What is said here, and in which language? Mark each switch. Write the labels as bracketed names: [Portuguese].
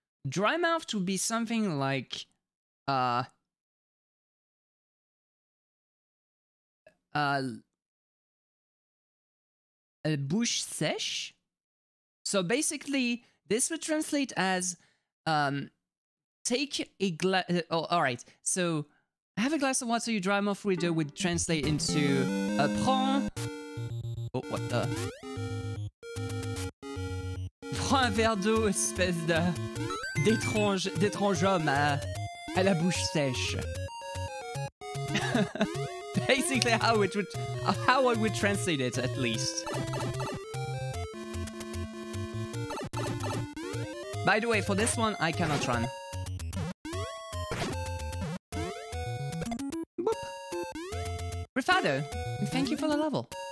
[English] Dry mouthed would be something like, a bouche sèche. So basically, this would translate as, take a glass. All right, so have a glass of water. Your dry mouth reader would translate into prends. Oh, what the? [French] Prends un verre d'eau, espèce de d'étrange homme à la bouche sèche. [English] Basically, how I would translate it, at least. By the way, for this one, I cannot run. Boop. Rifado, thank you for the level.